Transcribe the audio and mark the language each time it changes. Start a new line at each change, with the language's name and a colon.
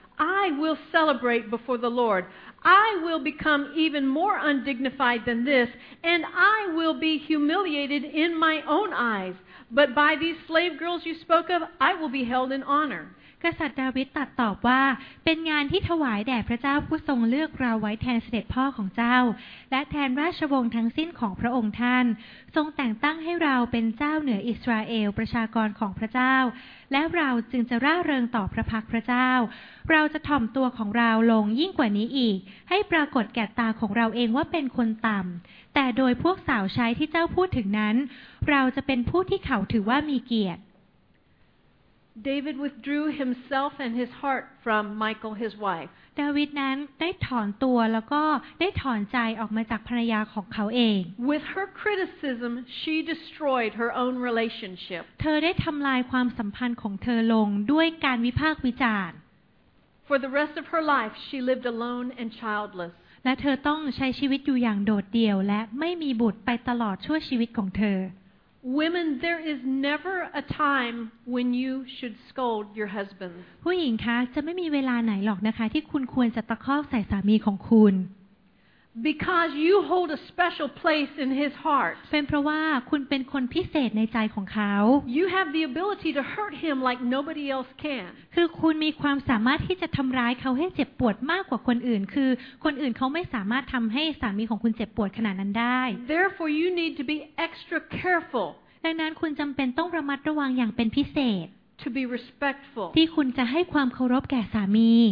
English: I will celebrate before the Lord. I will become even more undignified than this, and I will be humiliated in my own eyes. But by these slave girls you spoke of, I will be held in honor.
Thai: กษัตริย์ดาวิดตัดตอบว่าเป็นงานที่ถวายแด่พระเจ้าผู้ทรงเลือกเราไว้แทนเสด็จพ่อของเจ้าและแทนราชวงศ์ทั้งสิ้นของพระองค์ท่านทรงแต่งตั้งให้เราเป็นเจ้าเหนืออิสราเอลประชากรของพระเจ้าและเราจึงจะร่าเริงต่อพระพักพระเจ้าเราจะถ่อมตัวของเราลงยิ่งกว่านี้อีกให้ปรากฏแก่ตาของเราเองว่าเป็นคนต่ำแต่โดยพวกสาวใช้ที่เจ้าพูดถึงนั้นเราจะเป็นผู้ที่เขาถือว่ามีเกียรติ
English: David withdrew himself and his heart from Michal, his wife.
Thai: David นั้นได้ถอนตัวแล้วก็ได้ถอนใจออกมาจากภรรยาของเขาเอง
English: With her criticism, she destroyed her own relationship.
Thai: เธอได้ทำลายความสัมพันธ์ของเธอลงด้วยการวิพากษ์วิจารณ์
English: For the rest of her life, she lived alone and childless.
Thai: และเธอต้องใช้ชีวิตอยู่อย่างโดดเดี่ยวและไม่มีบุตรไปตลอดชั่วชีวิตของเธอ
English: Women, there is never a time when you should scold your husband.
Thai: ผู้หญิงคะจะไม่มีเวลาไหนหรอกนะคะที่คุณควรจะตะคอกใส่สามีของคุณ
English: Because you hold a special place in his heart.
Thai: เป็นเพราะว่าคุณเป็นคนพิเศษในใจของเขา
English: You have the ability to hurt him like nobody else can.
Thai: คือคุณมีความสามารถที่จะทำร้ายเขาให้เจ็บปวดมากกว่าคนอื่นคือคนอื่นเขาไม่สามารถทำให้สามีของคุณเจ็บปวดขนาดนั้นได้
English: Therefore, you need to be extra careful.
Thai: ดังนั้นคุณจำเป็นต้องระมัดระวังอย่างเป็นพิเศษ
English: to be respectful
Thai: ที่คุณจะให้ความเคารพแก่สามี